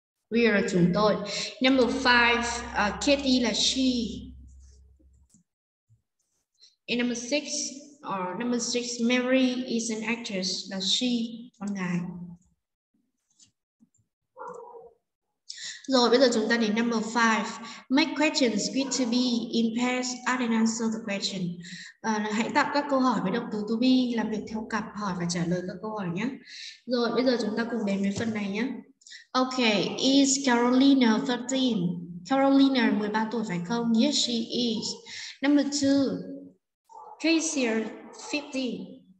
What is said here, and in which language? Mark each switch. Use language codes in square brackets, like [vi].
[vi] Weird là chúng tôi. Number 5, Katie là she. [en] And number 6, Mary is an actress, là she, con gái. [vi] Rồi bây giờ chúng ta đến number 5. [en] Make questions with to be in pairs, add and answer the question. [vi] Hãy tạo các câu hỏi với động từ to be, làm việc theo cặp, hỏi và trả lời các câu hỏi nhé. Rồi bây giờ chúng ta cùng đến với phần này nhé. Ok, [en] is Carolina 13? [vi] Carolina 13 tuổi phải không? [en] Yes, she is. [vi] Number 2, Casey 15.